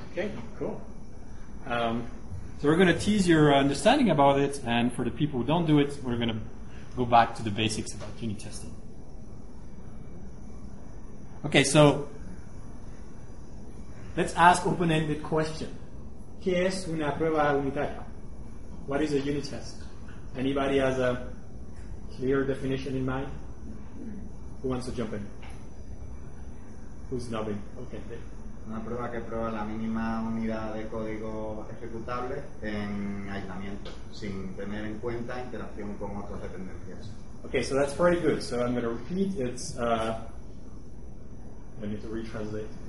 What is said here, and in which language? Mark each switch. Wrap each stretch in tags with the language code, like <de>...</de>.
<en>Okay, cool. So we're going to tease your understanding about it, and for the people who don't do it, we're going to go back to the basics about unit testing. Okay, so let's ask open-ended question.</en> <es>¿Qué es una prueba unitaria?</es> <en>What is a unit test? Anybody has a clear definition in mind? Who wants to jump in? Who's nodding? Okay.</en> <es>Una prueba que prueba la mínima unidad de código ejecutable en aislamiento, sin tener en cuenta interacción con otras dependencias.</es> <en>Okay, so that's pretty good. So I'm going to repeat. It's I need to retranslate.</en>